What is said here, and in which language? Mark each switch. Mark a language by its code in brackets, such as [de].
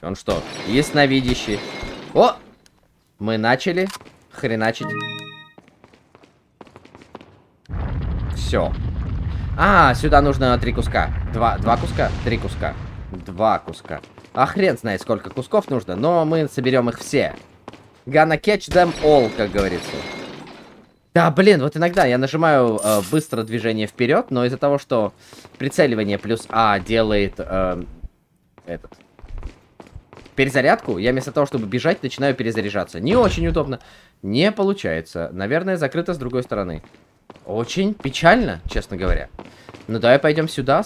[ru] Он что, ясновидящий? О! Мы начали хреначить. Все. А, сюда нужно три куска. Два куска. А хрен знает, сколько кусков нужно, но мы соберем их все. [en] Gonna catch them all, [ru] как говорится. Да, блин, вот иногда я нажимаю быстро движение вперед, но из-за того, что прицеливание плюс А делает перезарядку, я вместо того, чтобы бежать, начинаю перезаряжаться. Не очень удобно. Не получается. Наверное, закрыто с другой стороны. Очень печально, честно говоря. Ну давай пойдем сюда.